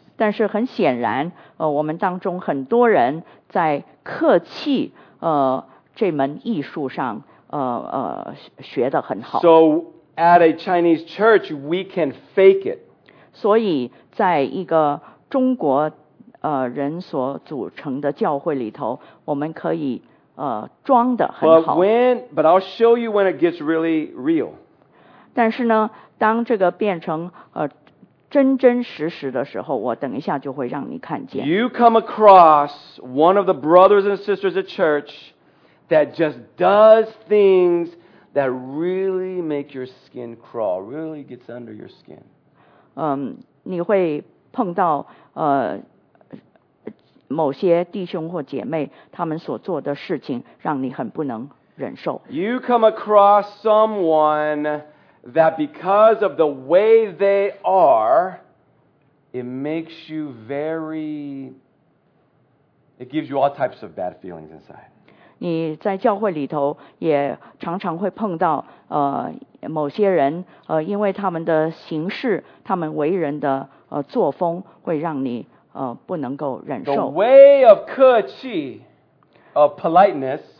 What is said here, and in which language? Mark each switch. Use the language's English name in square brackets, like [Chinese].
[Chinese] 但是很显然我们当中很多人在客气这门艺术上学得很好。 [English] So at a Chinese church, we can fake it. [Chinese] 所以在一个中国人所组成的教会里头我们可以装得很好。 [English] But I'll show you when it gets really real. [Chinese] 但是呢当这个变成真真实实的时候我等一下就会让你看见。 [English] You come across one of the brothers and sisters at church that just does things that really make your skin crawl, really gets under your skin. [Chinese] 你会碰到某些弟兄或姐妹他们所做的事情让你很不能忍受。 [English] You come across someone that because of the way they are, it makes you very, it gives you all types of bad feelings inside. [Chinese] 你在教会里头也常常会碰到某些人因为他们的行事他们为人的作风会让你不能够忍受。 [English] The way of 客气 of politeness,